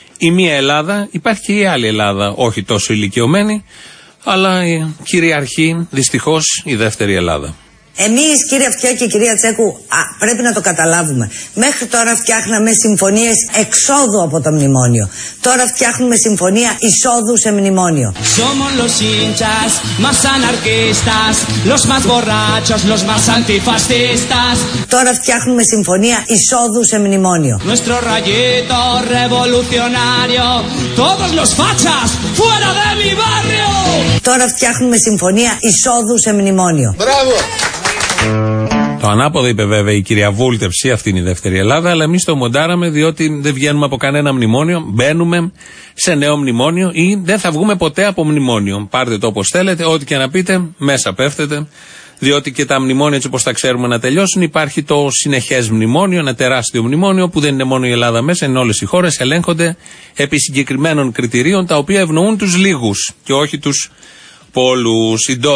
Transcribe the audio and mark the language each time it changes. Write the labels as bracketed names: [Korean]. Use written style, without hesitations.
[Greek] Η μία Ελλάδα, υπάρχει και η άλλη Ελλάδα, όχι τόσο ηλικιωμένη, αλλά κυριαρχεί δυστυχώς η δεύτερη Ελλάδα. Εμείς, κύριε Αυτιά και κυρία Τσέκου, πρέπει να το καταλάβουμε. Μέχρι τώρα φτιάχναμε συμφωνίες εξόδου από το μνημόνιο. Τώρα φτιάχνουμε συμφωνία εισόδου σε μνημόνιο. [Spanish] Somos los hinchas, más anarquistas, los más borrachos, los más antifascistas. [Greek] Τώρα φτιάχνουμε συμφωνία εισόδου σε μνημόνιο. [Spanish] Nuestro rayito revolucionario, todos los fachas, fuera de mi barrio. [Greek] Τώρα φτιάχνουμε συμφωνία εισόδου σε μνημόνιο. Μπράβο! Το ανάποδο είπε βέβαια η κυρία Βούλτευση, αυτή είναι η δεύτερη Ελλάδα, αλλά εμείς το μοντάραμε διότι δεν βγαίνουμε από κανένα μνημόνιο, μπαίνουμε σε νέο μνημόνιο ή δεν θα βγούμε ποτέ από μνημόνιο. Πάρτε το όπως θέλετε, ό,τι και να πείτε, μέσα πέφτετε, διότι και τα μνημόνια έτσι όπως τα ξέρουμε να τελειώσουν, υπάρχει το συνεχές μνημόνιο, ένα τεράστιο μνημόνιο που δεν είναι μόνο η Ελλάδα μέσα, είναι όλες οι χώρες, ελέγχονται επί συγκεκριμένων κριτηρίων τα οποία ευνοούν τους λίγους και όχι τους πόλους.